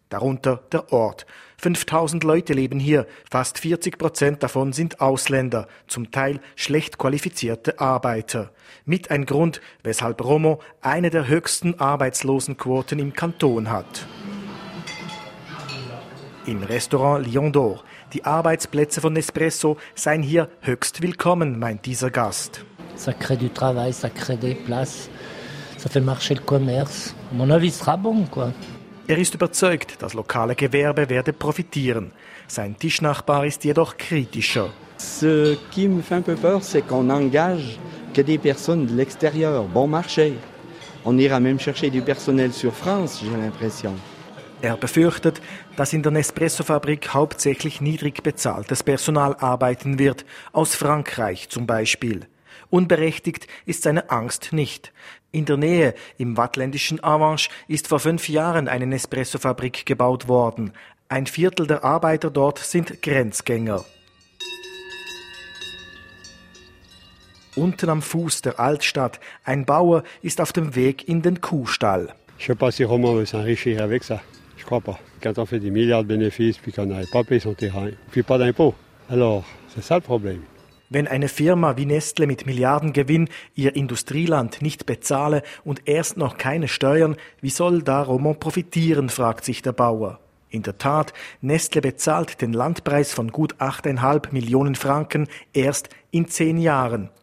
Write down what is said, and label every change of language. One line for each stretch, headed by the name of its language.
German: Darunter der Ort. 5000 Leute leben hier, fast 40% davon sind Ausländer, zum Teil schlecht qualifizierte Arbeiter. Mit ein Grund, weshalb Romo eine der höchsten Arbeitslosenquoten im Kanton hat. Im Restaurant Lion d'Or. Die Arbeitsplätze von Nespresso seien hier höchst willkommen, meint dieser Gast.
French: Ça crée du travail, ça crée des places, ça fait marcher le commerce. Mon avis sera bon, quoi.
German: Er ist überzeugt, das lokale Gewerbe werde profitieren. Sein Tischnachbar ist jedoch kritischer.
French: Ce qui me fait un peu peur, c'est qu'on engage que des personnes de l'extérieur, bon marché. On ira même chercher du personnel sur France, j'ai l'impression.
German: Er befürchtet, dass in der Nespresso-Fabrik hauptsächlich niedrig bezahltes Personal arbeiten wird, aus Frankreich zum Beispiel. Unberechtigt ist seine Angst nicht. In der Nähe, im wattländischen Avanche, ist vor 5 Jahren eine Nespresso-Fabrik gebaut worden. Ein Viertel der Arbeiter dort sind Grenzgänger. Unten am Fuß der Altstadt, ein Bauer ist auf dem Weg in den Kuhstall.
French: Je sais pas si Romo est un riche hier avec ça. Je crois pas. Quand on fait des milliards de bénéfices, puis qu'on n'avait pas payé son terrain, puis pas d'impôts. Alors, c'est ça le problème.
German: Wenn eine Firma wie Nestle mit Milliardengewinn ihr Industrieland nicht bezahle und erst noch keine Steuern, wie soll da Romont profitieren, fragt sich der Bauer. In der Tat, Nestle bezahlt den Landpreis von gut 8,5 Millionen Franken erst in 10 Jahren.